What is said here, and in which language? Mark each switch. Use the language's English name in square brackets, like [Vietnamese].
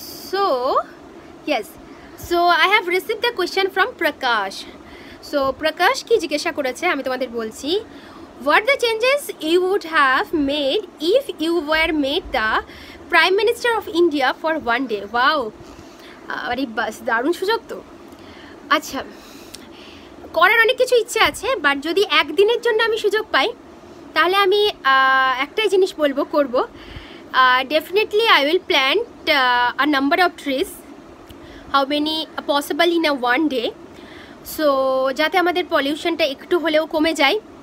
[English] So yes, so I have receive the question from Prakash. [Bangla] So প্রকাশ কী জিজ্ঞাসা করেছে আমি তোমাদের বলছি, [English] What the changes you would have made if you were made the Prime Minister of India for one day? [Bangla] Wow! আরে বাস, দারুণ সুযোগ তো। আচ্ছা, করার অনেক কিছু ইচ্ছে আছে, বাট যদি একদিনের জন্য আমি সুযোগ পাই তাহলে আমি একটাই জিনিস বলবো, করবো। [English] definitely I will plant a number of trees, how many possible in a one day, [Bangla] so যাতে আমাদের পলিউশনটা একটু হলেও কমে যায়।